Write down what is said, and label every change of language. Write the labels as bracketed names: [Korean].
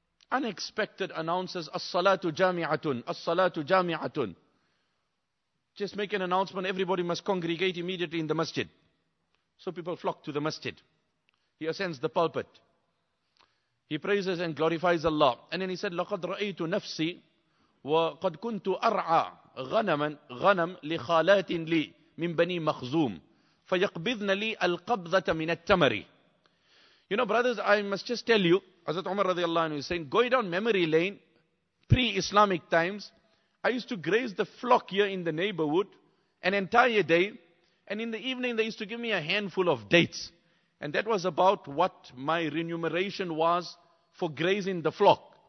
[English] unexpected announces, [Arabic] As-salatu jami'atun. [English] Just make an announcement, everybody must congregate immediately in the masjid. So people flock to the masjid. He ascends the pulpit. He praises and glorifies Allah. And then he said, [Arabic] لَقَدْ رَأَيْتُ نَفْسِي وَقَدْ كُنْتُ أَرْعَى غَنَمًا لِخَالَاتٍ لِي مِنْ بَنِي مَخْزُومٍ فَيَقْبِذْنَ لِي الْقَبْضَةَ مِنَ التَّمَرِ. [English] You know, brothers, I must just tell you, Hazrat Umar radiallahu anhu is saying, go down memory lane, pre-Islamic times, I used to graze the flock here in the neighborhood an entire day, and in the evening they used to give me a handful of dates. And that was about what my remuneration was for grazing the flock.